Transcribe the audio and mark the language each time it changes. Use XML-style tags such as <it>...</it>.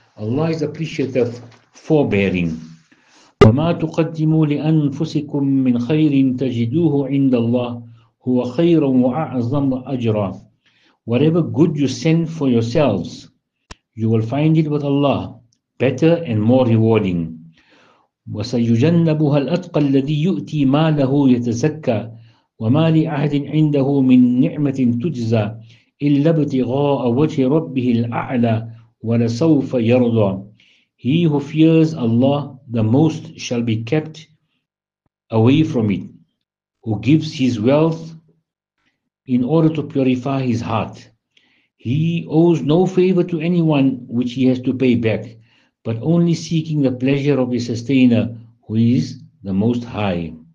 <en>Allah is appreciative, forbearing.</en> <ar>وَمَا تُقَدِّمُوا لِأَنفُسِكُم مِّنْ خَيْرٍ تَجِدُوهُ عِندَ اللَّهِ هُوَ خَيْرًا وَأَعْظَمَ أَجْرًا.</ar> <en>Whatever good you send for yourselves, you will find it with Allah, better and more rewarding.</en> <ar>وسيجنبها الأتقى الذي يؤتي ماله يتزكى وما لأحد عنده من نعمة تجزى إلا ابتغاء وجه ربه الأعلى ولسوف يرضى.</ar> <en>He who fears Allah the most shall be kept away from it, who gives his wealth in order to purify his heart. He owes no favor to anyone which he has to pay back, but only seeking the pleasure of his sustainer, who is the Most High.</en>